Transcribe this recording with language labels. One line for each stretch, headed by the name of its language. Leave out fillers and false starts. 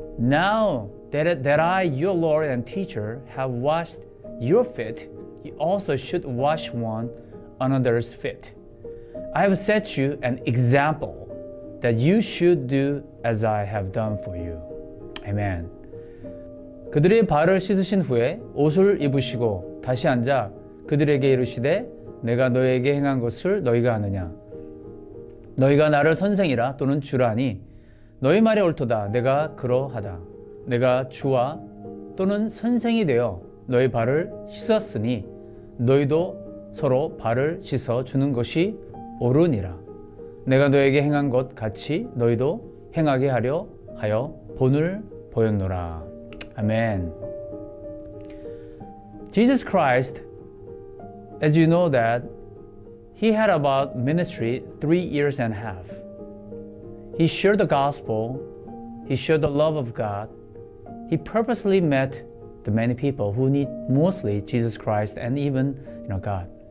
English: Now that I, your Lord and teacher, have washed your feet, you also should wash one another's feet. I have set you an example. That you should do as I have done for you. Amen.
Korean: 그들의 발을 씻으신 후에 옷을 입으시고 다시 앉아 그들에게 이르시되 내가 너에게 행한 것을 너희가 아느냐? 너희가 나를 선생이라 또는 주라니 너희 말이 옳도다. 내가 그러하다. 내가 주와 또는 선생이 되어 너희 발을 씻었으니 너희도 서로 발을 씻어 주는 것이 옳으니라. 내가 너에게 행한 것 같이 너희도 행하게 하려 하여 본을 보였노라. 아멘.
English: Jesus Christ, as you know that, he had about ministry 3 years and a half. He shared the gospel, he shared the love of God, he purposely met the many people who need mostly Jesus Christ and even God.